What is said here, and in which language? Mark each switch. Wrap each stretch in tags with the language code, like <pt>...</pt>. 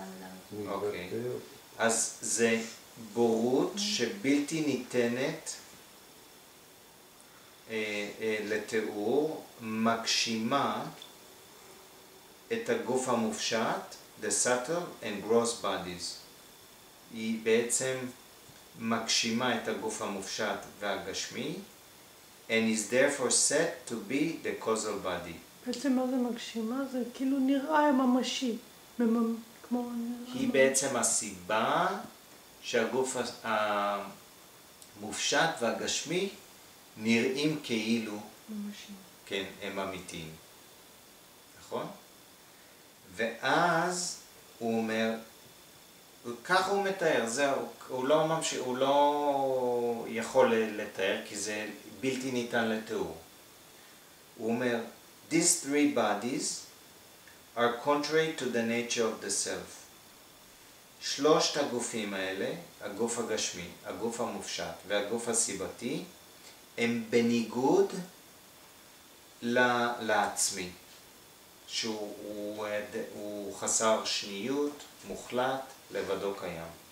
<he>המילה. אוקיי. אז זה... בורות שבלתי ניתנת לתיאור, מגשימה את הגוף המופשט,</he> <en>the subtle and gross bodies.</en> <he>היא בעצם מגשימה את הגוף המופשט והגשמי,</he> <en>and is therefore set to be the causal body.</en> <he>בעצם מה זה מגשימה? זה כאילו נראה ממשי. כמו... היא בעצם הסיבה שהגוף המופשט והגשמי נראים כאילו, כן, הם אמיתיים, נכון? ואז הוא אומר, כך הוא מתאר, זהו, הוא לא יכול לתאר כי זה בלתי ניתן לתיאור. הוא אומר,</he> <en>these three bodies are contrary to the nature of the self.</en> <he>שלושת הגופים האלה, הגוף הגשמי, הגוף המופשט והגוף הסיבתי, הם בניגוד לעצמי, שהוא חסר שניות, מוחלט, לבדו קיים.</he>